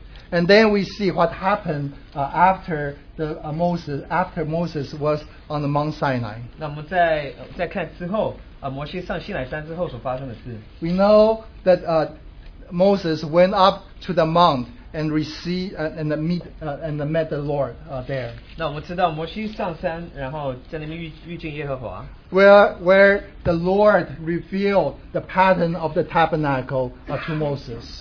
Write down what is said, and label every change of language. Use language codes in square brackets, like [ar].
[en] and then we see what happened after the Moses, after Moses was on the Mount Sinai. [zh] 那我们再看之后, [en] we know that Moses went up to the mount and receive and met the Lord there. [zh] 那我们知道摩西上山, 然后在那边遇见耶和华, [en] where the Lord revealed the pattern of the tabernacle to Moses.